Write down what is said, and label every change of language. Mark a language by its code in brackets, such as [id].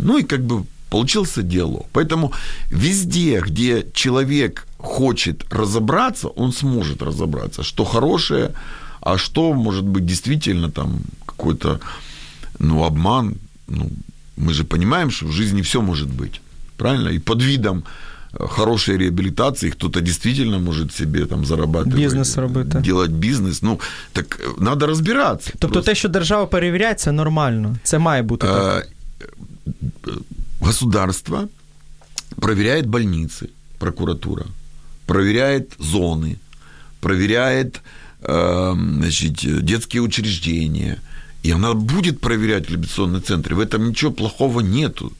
[ru] Ну, и как бы получился диалог. Поэтому везде, где человек хочет разобраться, он сможет разобраться, что хорошее, а что, может быть, действительно там какой-то, ну, обман, ну, мы же понимаем, что в жизни все может быть, правильно? И под видом хорошей реабилитации кто-то действительно может себе там зарабатывать. [uk] Бизнес робити. [ru] Делать бизнес. Ну, так надо разбираться. [uk] Тобто просто. Те, що держава перевіряє, це нормально. Це має бути так. [ru] Государство проверяет больницы, прокуратура. Проверяет зоны. Проверяет значит, детские учреждения. И она будет проверять реабилитационные центры. В этом ничего плохого нету.